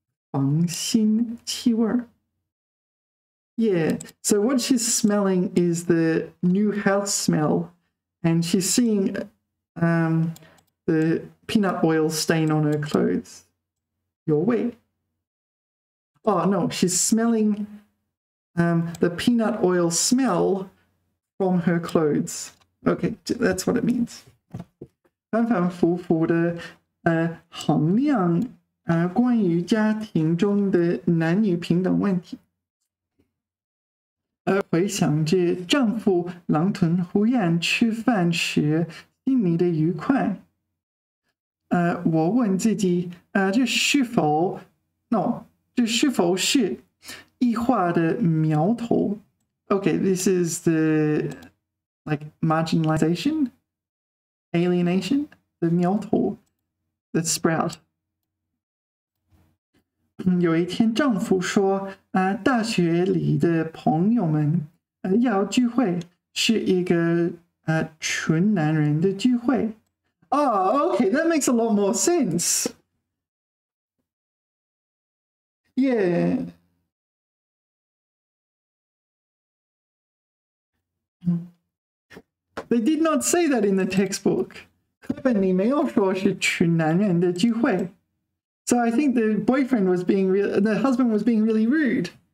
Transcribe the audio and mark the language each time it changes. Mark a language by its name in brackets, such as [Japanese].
[Chinese] 房新气味 [English] Yeah, so what she's smelling is the new house smell, and she's seeing the peanut oil stain on her clothes. 油味 Oh, no, she's smelling the peanut oil smell. From her clothes. Okay, that's what it means. [Chinese] 反反复复的衡量关于家庭中的男女平等问题。回想着丈夫狼吞虎咽吃饭时心里的愉快。我问自己这是否 no, 这是否是异化的苗头。 [English] Okay, this is the, like, marginalization, alienation, the 苗头, the sprout. [Chinese] 有一天丈夫说大学里的朋友们要聚会是一个纯男人的聚会。 [English] Oh, okay, that makes a lot more sense. Yeah. They did not say that in the textbook. [Chinese] 课本里没有说是纯男人的聚会。 [English] So I think the boyfriend was being real, the husband was being really rude.